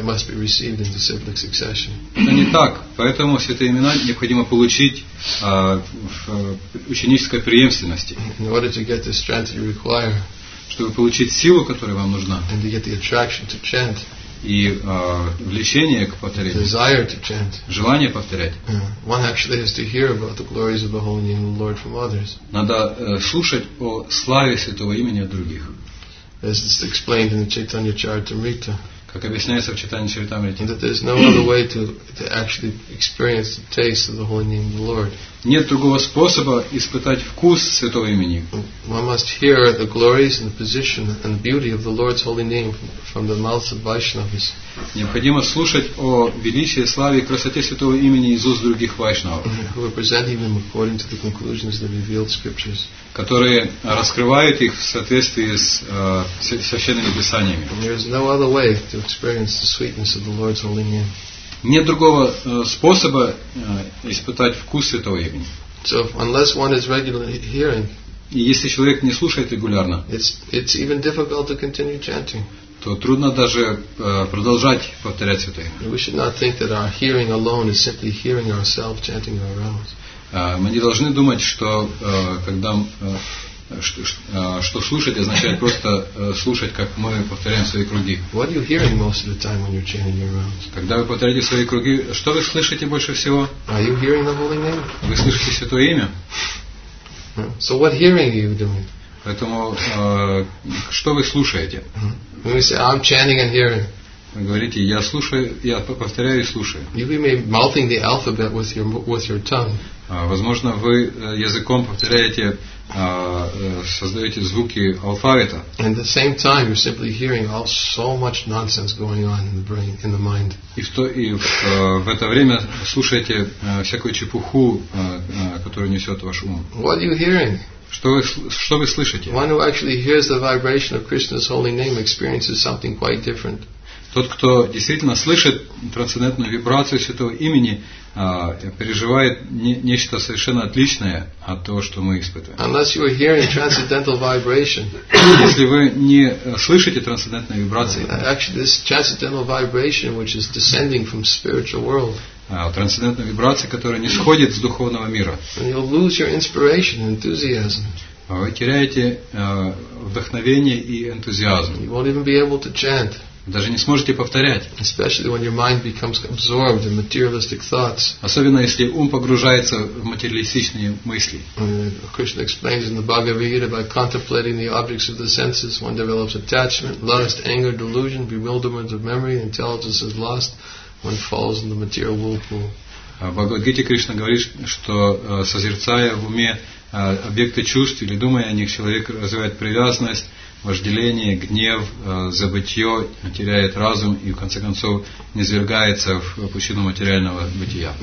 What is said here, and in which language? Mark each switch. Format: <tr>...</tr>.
<ru>Это не так. Поэтому Святые Имена необходимо получить в ученической преемственности.</ru> <en>In order to get the strength you require,</en> <ru>чтобы получить силу, которая вам нужна,</ru> <en>and to get the attraction to chant,</en> <ru>и влечение к повторению,</ru> <en>desire to chant,</en> <ru>желание повторять,</ru> <en>one actually has to hear about the glories of the Holy Name of the Lord from others.</en> <ru>Надо слушать о славе Святого Имени от других.</ru> <en>As is explained in the Chaitanya Charitamrita,</en> <ru>как объясняется в Чайтанья Чаритамрите,</ru> <en>that there is no other way to actually experience the taste of the Holy Name of the Lord.</en> <ru>Нет другого способа испытать вкус Святого Имени.</ru> <en>One must hear the glories and the position and the beauty of the Lord's holy name from the mouths of Vaishnavas.</en> <ru>Необходимо слушать о величии, славе и красоте Святого Имени из уст других вайшнавов.</ru> <en>Who are presenting them according to the conclusions of the revealed scriptures.</en> <ru>Которые раскрывают их в соответствии с священными писаниями.</ru> <en>There is no other way to experience the sweetness of the Lord's holy name.</en> <ru>Нет другого способа испытать вкус Святого Имени.</ru> <en>So, unless one is regularly hearing,</en> <ru>и если человек не слушает регулярно,</ru> <en>it's even difficult to continue chanting.</en> <ru>То трудно даже продолжать повторять Святое Имя.</ru> <en>We should not think that our hearing alone is simply hearing ourselves chanting our vows.</en> <ru>Мы не должны думать, что когда что слушать означает просто слушать, как мы повторяем свои круги.</ru> <en>What are you hearing most of the time when you're chanting your rounds?</en> <ru>Когда вы повторяете свои круги, что вы слышите больше всего?</ru> <en>Are you hearing the holy name?</en> <ru>Вы слышите Святое Имя?</ru> <en>So what hearing are you doing?</en> <ru>Поэтому что вы слушаете?</ru> <en>When we say I'm chanting and hearing.</en> <ru>Вы говорите, я слушаю, я повторяю и слушаю.</ru> <en>You may be mouthing the alphabet with your tongue.</en> <ru>Возможно, вы языком повторяете, создаете звуки алфавита.</ru> <en>And at the same time, you're simply hearing all so much nonsense going on in the brain, in the mind.</en> <ru>И в это время слушаете всякую чепуху, которую несет ваш ум.</ru> <en>What are you hearing?</en> <ru>Что вы слышите?</ru> <en>One who actually hears the vibration of Krishna's holy name experiences something quite different.</en> <ru>Тот, кто действительно слышит трансцендентную вибрацию Святого Имени, переживает нечто совершенно отличное от того, что мы испытываем.</ru> <en>Unless you are hearing transcendental vibration,</en> <ru>если вы не слышите трансцендентной вибрации,</ru> <en>actually this transcendental vibration, which is descending from spiritual world,</en> <ru>трансцендентная вибрация, которая нисходит с духовного мира,</ru> <en>you'll lose your inspiration and enthusiasm.</en> <ru>Вы теряете вдохновение и энтузиазм.</ru> <en>You won't even be able to chant.</en> <ru>Даже не сможете повторять.</ru> <en>Especially when your mind becomes absorbed in materialistic thoughts.</en> <ru>Особенно если ум погружается в материалистичные мысли.</ru> <en>Krishna explains in the Bhagavad Gita, by contemplating the objects of the senses, one develops attachment, lust, anger, delusion, bewilderment of memory, intelligence is lost, one falls in the material whirlpool.</en> <ru>В Бхагавад-гите Кришна говорит, что созерцая в уме объекты чувств или думая о них, человек развивает привязанность, вожделение, гнев, забытье, теряет разум и в конце концов низвергается в пучину материального бытия.</ru>